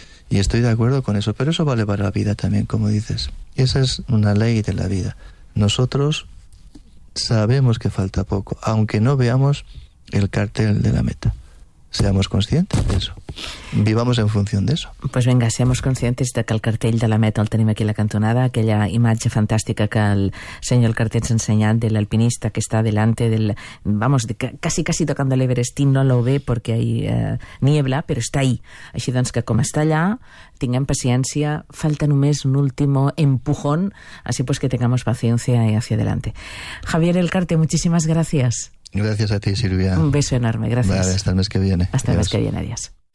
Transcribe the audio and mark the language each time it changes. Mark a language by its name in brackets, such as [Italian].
[Spanish] Y estoy de acuerdo con eso, pero eso vale para la vida también, como dices. Esa es una ley de la vida. Nosotros sabemos que falta poco, aunque no veamos el cartel de la meta. Seamos conscientes de eso. Vivamos en función de eso. Pues venga, seamos conscientes de que [Catalan] el cartell de la meta el tenim aquí a la cantonada, aquella imatge fantàstica que el senyor Elkarte ens ha ensenyat de l'alpinista que està [Spanish] delante del... [Catalan] Vamos, casi tocant l'Everest, [Spanish] no lo ve [Catalan] perquè hi ha niebla, però està ahí. Així doncs que com està allà, tinguem paciència, falta només un [Spanish] último empujón, así pues que tengamos paciencia y hacia adelante. Javier Elkarte, muchísimas gracias. Gracias a ti, Silvia. Un beso enorme, gracias. Vale, hasta el mes que viene. Hasta el mes que viene, adiós.